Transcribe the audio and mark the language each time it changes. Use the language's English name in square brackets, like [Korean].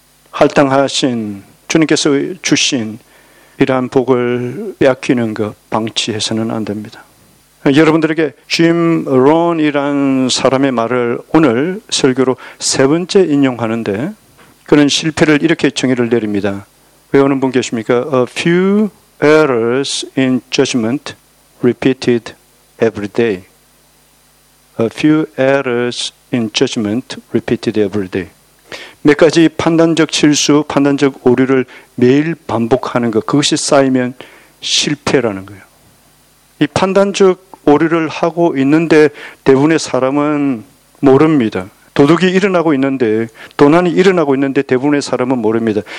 [Korean] 할당하신 주님께서 주신 이러한 복을 빼앗기는 것 방치해서는 안 됩니다. 여러분들에게 짐 론이라는 사람의 말을 오늘 설교로 세 번째 인용하는데 그는 실패를 이렇게 정의를 내립니다. 외우는 분 계십니까? [English] A few errors in judgment repeated every day. A few errors in judgment repeated every day. [Korean] 몇 가지 판단적 실수, 판단적 오류를 매일 반복하는 것, 그것이 쌓이면 실패라는 거예요. 이 판단적 오류를 하고 있는데 대부분의 사람은 모릅니다. 도둑이 일어나고 있는데, 도난이 일어나고 있는데 대부분의 사람은 모릅니다.